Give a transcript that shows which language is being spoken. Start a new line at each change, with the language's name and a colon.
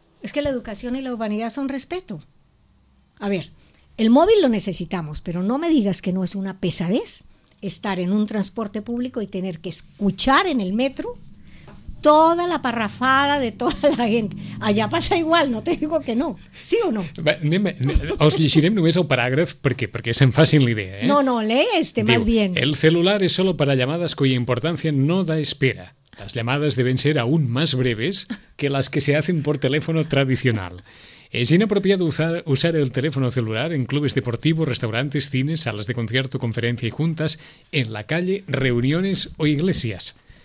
Spanish: Es que la educación y la urbanidad son respeto. A ver, el móvil lo necesitamos, pero no me digas que no es una pesadez estar en un transporte público y tener que escuchar en el metro... Toda la parrafada de toda la gente. Allá pasa igual, no te digo que no. ¿Sí o no?
Catalan: Os llegiré només el paràgraf perquè se'n facin la idea.
Spanish: No, lee este más bien. El celular es solo para llamadas cuya importancia no da espera. Las llamadas deben ser aún más breves que las que se hacen por teléfono tradicional. Es inapropiado usar el teléfono celular en clubes deportivos, restaurantes, cines, salas de concierto, conferencia y juntas, en la calle, reuniones o iglesias.